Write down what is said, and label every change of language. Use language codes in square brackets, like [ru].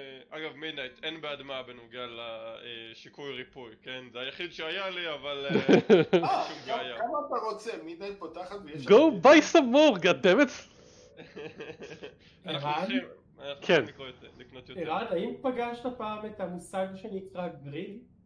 [he] אגב, מידנייט, אין באדמה בנוגע לשיקוי ריפוי, כן? זה היחיד שהיה לי, אבל... אה, כמה אתה רוצה? מידנייט פותחת ויש... [en] Go buy some more, god damn it! [he] אנחנו הולכים לקנות יותר. אירן, האם פגשת פעם את המושג שנקרא גריל?